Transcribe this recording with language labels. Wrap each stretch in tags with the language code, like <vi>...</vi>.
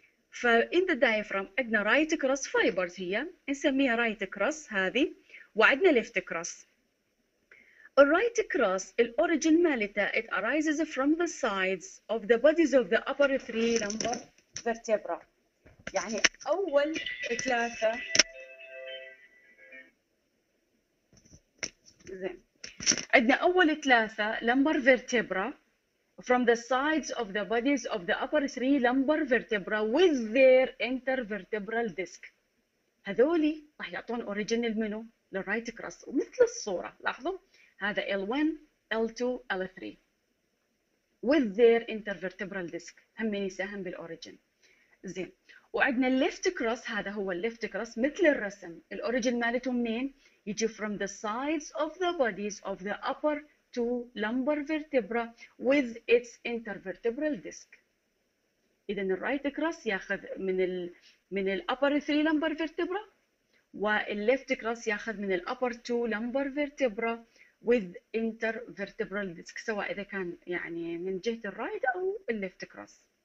<en>فان the diagram</en> <ar>عندنا رايت كروس فايبرز، هي نسميها رايت كروس هذه، وعندنا ليفت كروس. الرايت كروس الاوريجين مالته</ar> <en>it arises from the sides of the bodies of the upper 3 lumbar vertebra,</en> <ar>يعني اول ثلاثه. زين، عندنا اول ثلاثه</ar> <en>Lumbar vertebra from the sides of the bodies of the upper three lumbar vertebra with their intervertebral disc.</en> <ar>هذول راح يعطون اوريجينال منو؟ للرايت كروس. ومثل الصوره لاحظوا هذا L1 L2 L3</ar> <en>with their intervertebral disc</en> <ar>هم يساهم بالاوريجين. زين، وعندنا الليفت كروس، هذا هو الليفت كروس مثل الرسم، الاوريجين مالته منين؟ يجي</ar> <en>from the sides of the bodies of the upper two lumbar vertebra with its intervertebral disc.</en> <ar>إذا الرايت كروس ياخذ من الـ</ar> <en>upper three lumbar vertebra،</en> <ar>والليفت كروس ياخذ من الـ upper two lumbar vertebra</ar> <en>with intervertebral disc،</en> <ar>سواء إذا كان يعني من جهة الرايت أو الليفت كروس.</ar>